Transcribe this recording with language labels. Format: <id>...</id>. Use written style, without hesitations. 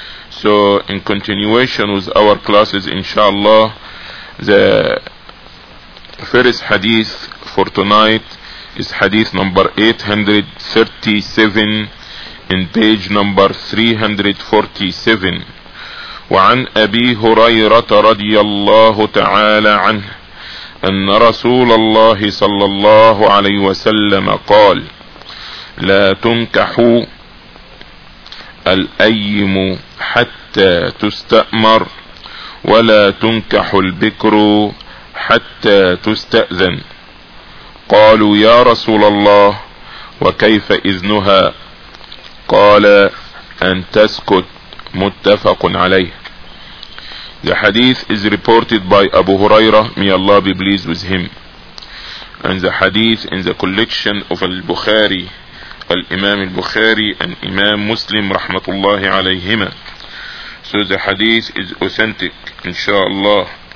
<en>So in continuation with our classes, inshallah, the first hadith for tonight is hadith number 837 in page number 347.</en> <ar>وعن أبي هريرة رضي الله تعالى عنه أن رسول الله صلى الله عليه وسلم قال: لا تنكحوا الأيم حتى تستأمر، ولا تنكح البكر حتى تستأذن. قالوا: يا رسول الله، وكيف إذنها؟ قال: أن تسكت. متفق عليه.</ar> <en>The hadith is reported by Abu Huraira, may Allah be pleased with him. And the hadith in the collection of Al-Bukhari, Al-Imam Al-Bukhari and Imam Muslim, rahmatullahi alayhima. So the hadith is authentic, inshallah.</en>